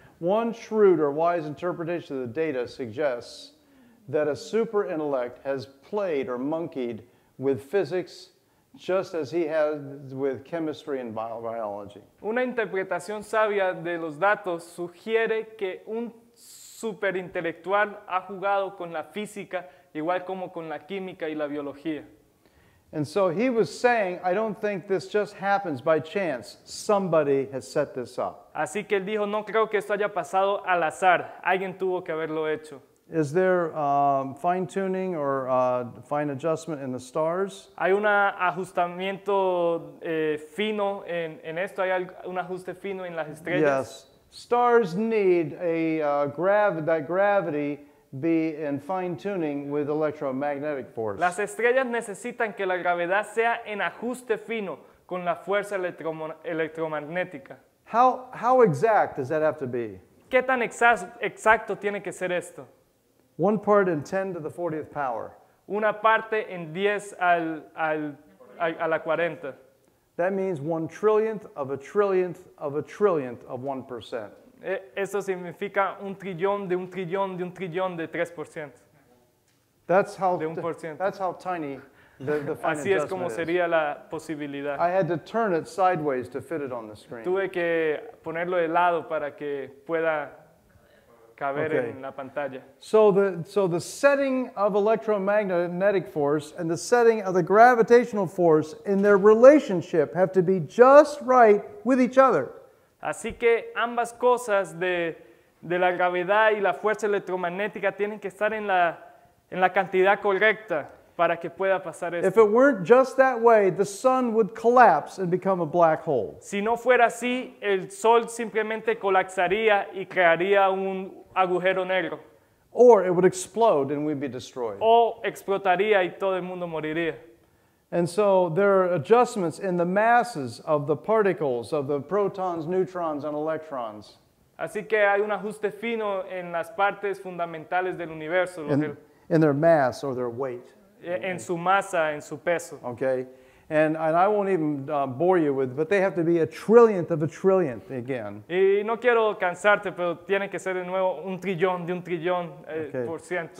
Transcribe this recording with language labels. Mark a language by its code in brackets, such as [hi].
[en] One shrewd or wise interpretation of the data suggests that a super intellect has played or monkeyed with physics just as he has with chemistry and biology. [es] Una interpretación sabia de los datos sugiere que un superintelectual ha jugado con la física igual como con la química y la biología. [en] And so he was saying, I don't think this just happens by chance. Somebody has set this up. [es] Así que él dijo, no creo que esto haya pasado al azar. Alguien tuvo que haberlo hecho. [en] Is there fine tuning or fine adjustment in the stars? [es] Hay un ajustamiento fino en esto. Hay un ajuste fino en las estrellas. [en] Yes, stars need that gravity be in fine tuning with electromagnetic force. [es] Las estrellas necesitan que la gravedad sea en ajuste fino con la fuerza electromagnética. [en] How exact does that have to be? [es] ¿Qué tan exacto tiene que ser esto? [en] One part in 10 to the 40th power. [es] Una parte en 10 a la 40. [en] That means 1 trillionth of a trillionth of a trillionth of 1%. [es] Eso significa un trillón de un trillón de un trillón de 3%. [en] That's how [es] de 1%. [en] That's how tiny the fine [es] adjustment. Así es como sería la posibilidad. [en] I had to turn it sideways to fit it on the screen. [es] Tuve que ponerlo de lado para que pueda caber [en] okay. [es] En la pantalla. [en] So the setting of electromagnetic force and the setting of the gravitational force in their relationship have to be just right with each other. [es] Así que ambas cosas de la gravedad y la fuerza electromagnética tienen que estar en la cantidad correcta para que pueda pasar esto. [en] If it weren't just that way, the sun would collapse and become a black hole. [es] Si no fuera así, el sol simplemente colapsaría y crearía un agujero negro. [en] Or it would explode and we'd be destroyed. [es] O explotaría y todo el mundo moriría. [en] And so there are adjustments in the masses of the particles of the protons, neutrons, and electrons. [es] Así que hay un ajuste fino en las partes fundamentales del universo. [en] In their mass or their weight. [es] En su masa, en su peso. [en] Okay. And I won't even bore you with, but they have to be a trillionth of a trillionth again. [es] Y no quiero cansarte, pero tiene que ser de nuevo un trillón de un trillón por ciento.